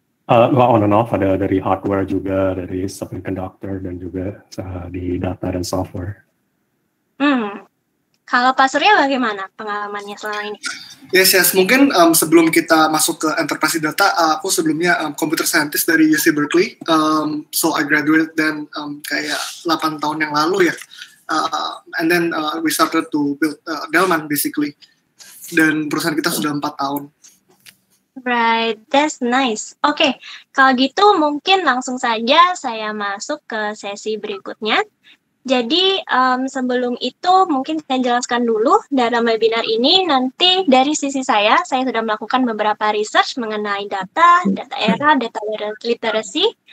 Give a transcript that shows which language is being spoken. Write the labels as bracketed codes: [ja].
[en] On and off, [id] ada dari hardware juga, dari semiconductor, dan juga di data dan software. Kalau Pak Surya bagaimana pengalamannya selama ini? [en] Yes. [id] Mungkin sebelum kita masuk ke enterprise data, aku sebelumnya computer scientist dari UC Berkeley. [en] So I graduated then [id] kayak 8 tahun yang lalu ya. [en] And then we started to build Delman basically. [id] Dan perusahaan kita sudah 4 tahun. [en] Right, that's nice. [id] Oke, kalau gitu mungkin langsung saja saya masuk ke sesi berikutnya. Jadi sebelum itu mungkin saya jelaskan dulu dalam webinar ini nanti dari sisi saya sudah melakukan beberapa research mengenai data era, data literacy.